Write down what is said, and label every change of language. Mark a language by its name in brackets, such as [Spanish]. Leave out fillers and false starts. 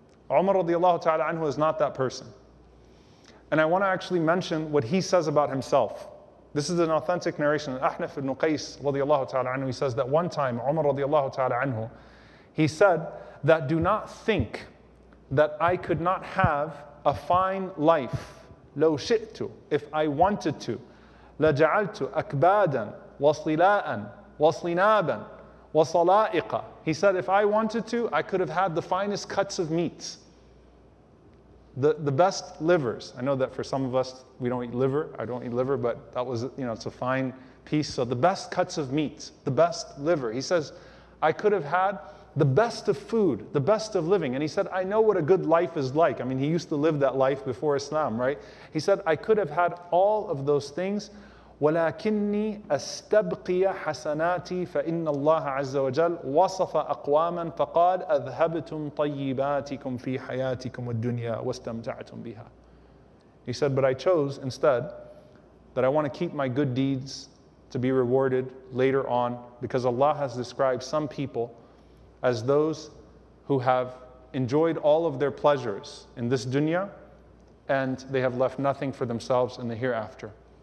[English] Umar radiallahu ta'ala anhu is not that person. And I want to actually mention what he says about himself. This is an authentic narration. Ahnaf ibn Qais radiallahu ta'ala anhu, he says that one time, Umar radiallahu ta'ala anhu, he said that do not think that I could not have a fine life. [Arabic] لو شئت, [English] if I wanted to. [Arabic] لجعلت أكبادا وصلاء وصلنابا وصلائقا. [English] He said, if I wanted to, I could have had the finest cuts of meat, the best livers. I know that for some of us, we don't eat liver. I don't eat liver, but that was, you know, it's a fine piece. So the best cuts of meat, the best liver. He says, I could have had the best of food, the best of living. And he said, I know what a good life is like. I mean, he used to live that life before Islam, right? He said, I could have had all of those things. [Arabic] ولكني استبقي حسناتي فإن الله عز وجل وصف أقواما فقال أذهبتم طيباتكم في حياتكم الدنيا واستمتعتم بها. [English] He said, but I chose instead that I want to keep my good deeds to be rewarded later on because Allah has described some people as those who have enjoyed all of their pleasures in this dunya and they have left nothing for themselves in the hereafter.